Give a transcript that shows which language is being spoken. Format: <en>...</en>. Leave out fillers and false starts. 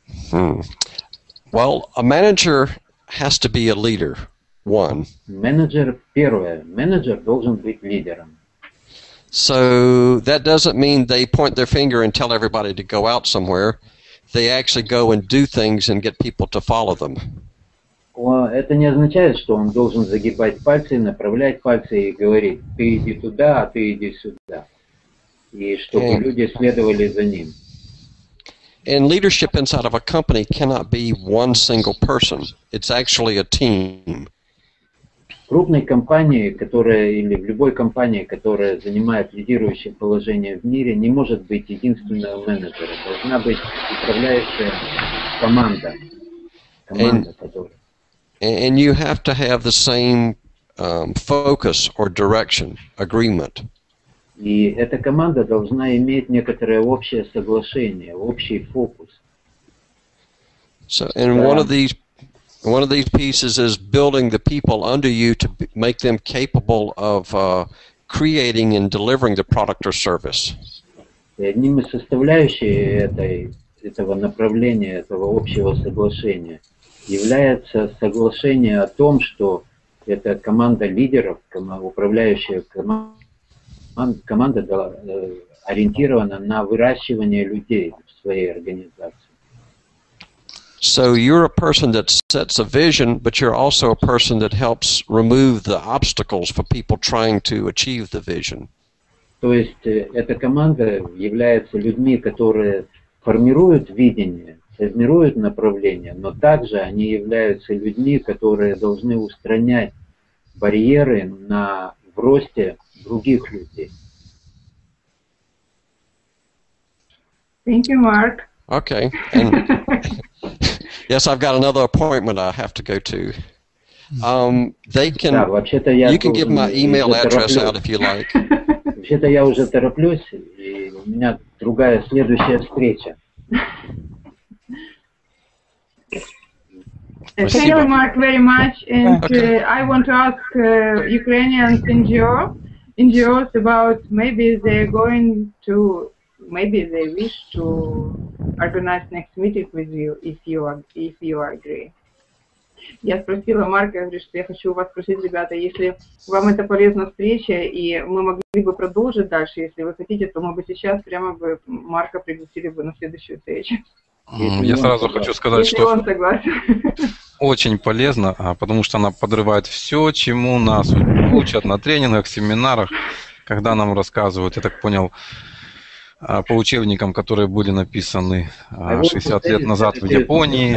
<en>Well, a manager has to be a leader, one.</en> <ru>Manager, первое. Manager должен быть лидером.</ru> <en>So that doesn't mean they point their finger and tell everybody to go out somewhere. They actually go and do things and get people to follow them.</en> <ru>Это не означает, что он должен загибать пальцы, направлять пальцы и говорить, ты иди туда, а ты иди сюда. И чтобы люди следовали за ним.</ru> <en>And leadership inside of a company cannot be one single person. It's actually a team.</en> <ru>В крупной компании, которая или в любой компании, которая занимает лидирующее положение в мире, не может быть единственного менеджера. Должна быть управляющая команда, которая.</ru> <en>And you have to have the same focus or direction, agreement.</en> <ru>И эта команда должна иметь некоторое общее соглашение, общий фокус.</ru> <en>So, and one of these pieces is building the people under you to make them capable of creating and delivering the product or service.</en> <ru>И одним из составляющих этого направления, этого общего соглашения, является соглашение о том, что эта команда лидеров, управляющая команда ориентирована на выращивание людей в своей организации.</ru> <en>So you're a person that sets a vision, but you're also a person that helps remove the obstacles for people trying to achieve the vision.</en> <ru>То есть эта команда является людьми, которые формируют видение, формируют направление, но также они являются людьми, которые должны устранять барьеры в росте других людей.</ru> <en>Thank you, Mark. Okay. And yes, I've got another appointment I have to go to. They can.</en> <ru>Да, вообще-то я.</ru> <en>You can give my email address out if you like.</en> <ru>Вообще-то я уже тороплюсь, и у меня другая следующая встреча.</ru> <en>Thank you, Mark, very much. And okay. I want to ask Ukrainian NGOs about maybe they wish to organize next meeting with you if you agree.</en> <ru>Я спросила Марка, что я хочу у вас спросить, ребята, если вам это полезна встреча, и мы могли бы продолжить дальше, если вы хотите, то мы бы сейчас прямо бы Марка пригласили бы на следующую встречу. Я сразу хочу сказать, что очень полезно, потому что она подрывает все, чему нас учат на тренингах, семинарах, когда нам рассказывают, я так понял, по учебникам, которые были написаны 60 лет назад в Японии.</ru>